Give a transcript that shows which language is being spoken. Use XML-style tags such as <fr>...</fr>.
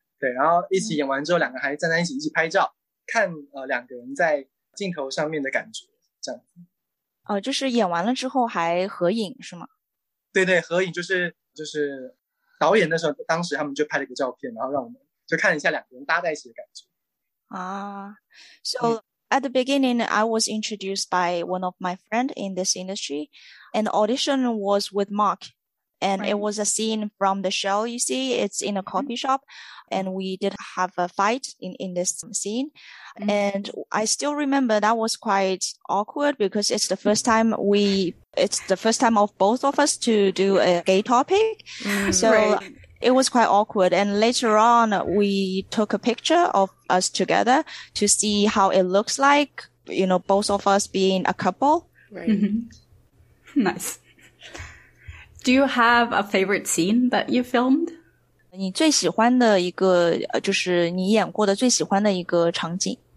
<zh>对，然后一起演完之后两个还站在一起一起拍照看两个人在镜头上面的感觉这样子。就是演完了之后还合影是吗？对对，合影就是导演那时候当时他们就拍了一个照片，然后让我们就看一下两个人搭在一起的感觉。</zh> <en>So at the beginning, I was introduced by one of my friends in this industry, and the audition was with Mark. And it was a scene from the show, you see, it's in a coffee shop, and we did have a fight in this scene. And I still remember that was quite awkward because it's the first time of both of us to do a gay topic. So right. It was quite awkward. And later on, we took a picture of us together to see how it looks like, you know, both of us being a couple. Right. Mm-hmm. Nice. Do you have a favorite scene that you filmed?</en> <zh>你最喜欢的一个就是你演过的最喜欢的一个场景。</zh>